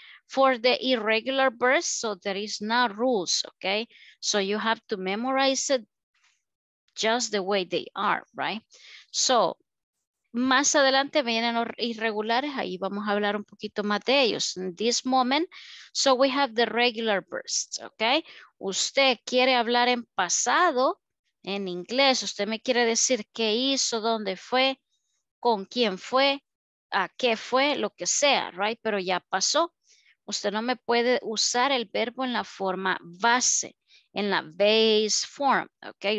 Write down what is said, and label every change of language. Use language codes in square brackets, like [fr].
[en] For the irregular verbs, so there is no rules, okay? So you have to memorize it just the way they are, right? [es] So, más adelante vienen los irregulares, ahí vamos a hablar un poquito más de ellos. [en] In this moment, so we have the regular verbs, okay? [es] Usted quiere hablar en pasado, en inglés, usted me quiere decir qué hizo, dónde fue, con quién fue, a qué fue, lo que sea, right? Pero ya pasó. Usted no me puede usar el verbo en la forma base, en la base form, okay?